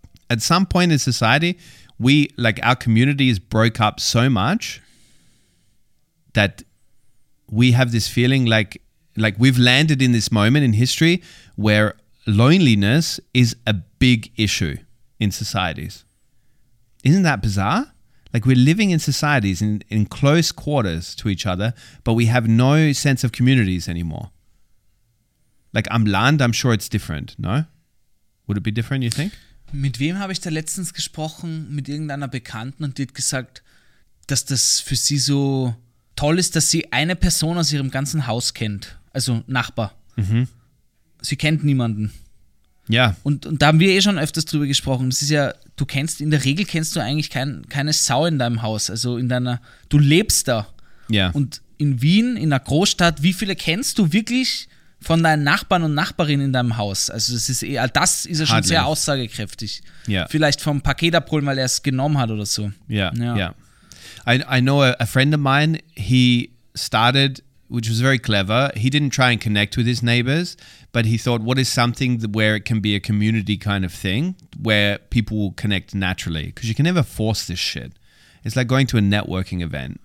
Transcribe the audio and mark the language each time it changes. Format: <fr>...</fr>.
<en>At some point in society, we, like our communities broke up so much that we have this feeling like we've landed in this moment in history where loneliness is a big issue in societies. Isn't that bizarre? Like we're living in societies in close quarters to each other, but we have no sense of communities anymore. Like</en> <de>am Land,</de> <en>I'm sure it's different, no? Would it be different, you think?</en> <de>Mit wem habe ich da letztens gesprochen? Mit irgendeiner Bekannten, und die hat gesagt, dass das für sie so toll ist, dass sie eine Person aus ihrem ganzen Haus kennt, also Nachbar. Mhm. Sie kennt niemanden. Ja. Und da haben wir eh schon öfters drüber gesprochen. Das ist ja, du kennst, in der Regel kennst du eigentlich keine Sau in deinem Haus. Also in deiner, du lebst da. Ja. Und in Wien, in einer Großstadt, wie viele kennst du wirklich von deinen Nachbarn und Nachbarinnen in deinem Haus. Also das ist eher, das ist ja schon sehr aussagekräftig. Ja. Vielleicht vom Paket abholen, weil er es genommen hat oder so. Ja, ja.</de> <en>I know a friend of mine, he started, which was very clever. He didn't try and connect with his neighbors, but he thought, what is something that, where it can be a community kind of thing, where people will connect naturally? Because you can never force this shit. It's like going to a networking event.</en>